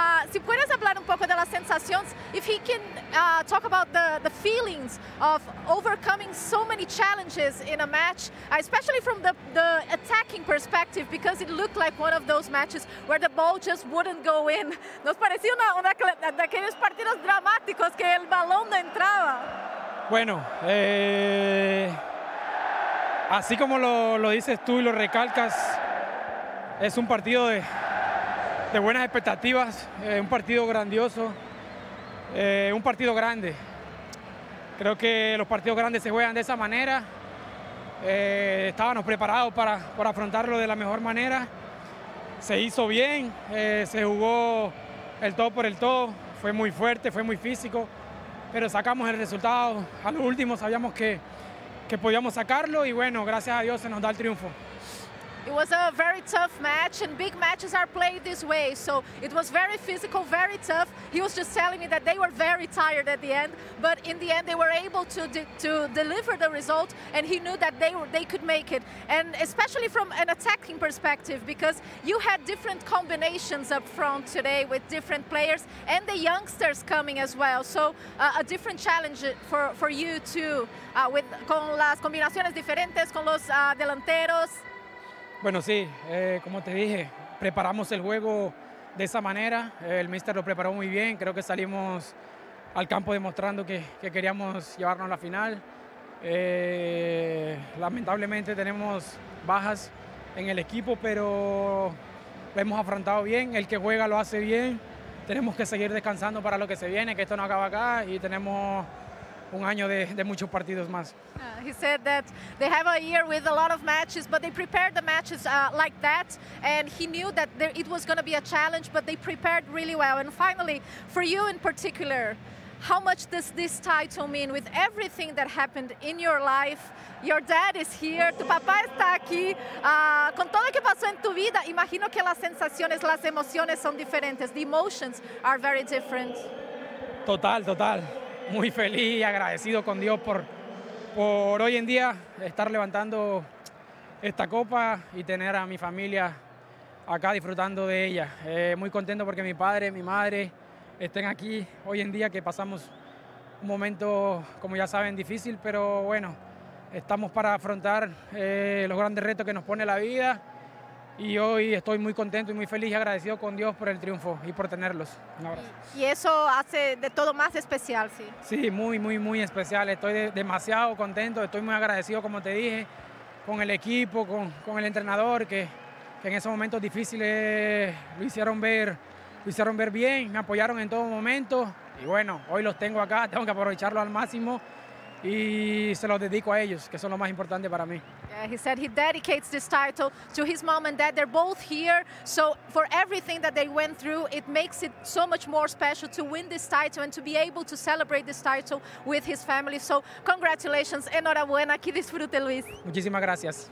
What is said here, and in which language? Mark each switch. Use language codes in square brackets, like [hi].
[es] Si puedes hablar un poco de las sensaciones, [en] if he can talk about the feelings of overcoming so many challenges in a match, especially from the attacking perspective, because it looked like one of those matches where the ball just wouldn't go in. [es] Nos parecía una de aquellos partidos dramáticos que el balón no entraba. Bueno, así como lo dices tú y lo recalcas, es un partido de buenas expectativas, un partido grandioso, un partido grande. Creo que los partidos grandes se juegan de esa manera. Estábamos preparados para afrontarlo de la mejor manera. Se hizo bien, se jugó el todo por el todo. Fue muy fuerte, fue muy físico, pero sacamos el resultado. A lo último sabíamos que podíamos sacarlo y bueno, gracias a Dios se nos da el triunfo. [en] It was a very tough match, and big matches are played this way. So it was very physical, very tough. He was just telling me that they were very tired at the end, but in the end they were able to deliver the result, and he knew that they could make it. And especially from an attacking perspective, because you had different combinations up front today with different players and the youngsters coming as well. So a different challenge for you too, with [es] con las combinaciones diferentes, con los delanteros. Bueno, sí, como te dije, preparamos el juego de esa manera. El míster lo preparó muy bien. Creo que salimos al campo demostrando que queríamos llevarnos a la final. Lamentablemente tenemos bajas en el equipo, pero lo hemos afrontado bien. El que juega lo hace bien. Tenemos que seguir descansando para lo que se viene, que esto no acaba acá, y tenemos un año de muchos partidos más. [en] He said that they have a year with a lot of matches, but they prepared the matches like that, and he knew that it was going to be a challenge, but they prepared really well. And finally, for you in particular, how much does this title mean with everything that happened in your life? Your dad is here, [es] tu papá está aquí. Con todo lo que pasó en tu vida, imagino que las sensaciones, las emociones son diferentes. [en] The emotions are very different. [es] Total, total. Muy feliz y agradecido con Dios por hoy en día estar levantando esta copa y tener a mi familia acá disfrutando de ella. Muy contento porque mi padre, mi madre estén aquí hoy en día, que pasamos un momento, como ya saben, difícil, pero bueno, estamos para afrontar los grandes retos que nos pone la vida, y hoy estoy muy contento y muy feliz y agradecido con Dios por el triunfo y por tenerlos. Un abrazo. Y eso hace de todo más especial, ¿sí? Sí, muy, muy, muy especial. Estoy demasiado contento, estoy muy agradecido, como te dije, con el equipo, con el entrenador, que en esos momentos difíciles lo hicieron ver bien, me apoyaron en todo momento, y bueno, hoy los tengo acá, tengo que aprovecharlo al máximo. Y se los dedico a ellos, que son lo más importante para mí. [en] Yeah, he said he dedicates this title to his mom and dad. They're both here. So for everything that they went through, it makes it so much more special to win this title and to be able to celebrate this title with his family. So congratulations. [es] Enhorabuena. Que disfrute, Luis. Muchísimas gracias.